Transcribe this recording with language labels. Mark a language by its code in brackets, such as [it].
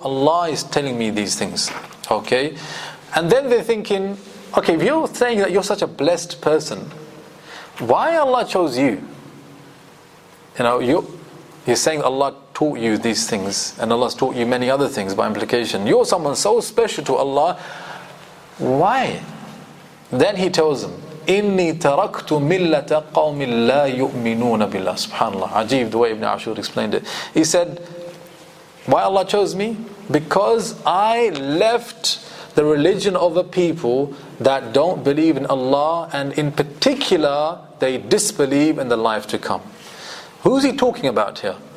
[en] Allah is telling me these things. Okay, and then they're thinking, okay, if you're saying that you're such a blessed person, why Allah chose you? You know, you're saying Allah taught you these things, and Allah's taught you many other things by implication. You're someone so special to Allah. Why? Then he tells them, [ar] إِنِّي تَرَكْتُ مِلَّةَ قَوْمِ لَا يُؤْمِنُونَ بِاللَّهِ SubhanAllah. [en] Ajeeb, the way Ibn Ashur explained it. He said, why Allah chose me? Because I left the religion of a people that don't believe in Allah, and in particular, they disbelieve in the life to come. Who's he talking about here?